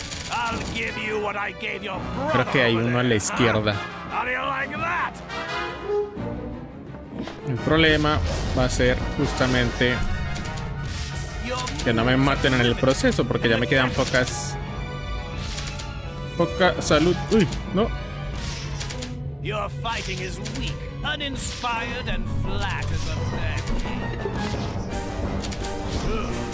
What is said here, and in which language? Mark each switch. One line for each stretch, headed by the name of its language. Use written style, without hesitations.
English: I'll give you what I gave your brother.
Spanish: Creo que hay uno a la izquierda.
English: How do you like that?
Spanish: El problema va a ser justamente que no me maten en el proceso, porque ya me quedan poca salud. Uy, no.
English: Your fighting is weak, uninspired and flat as a pancake.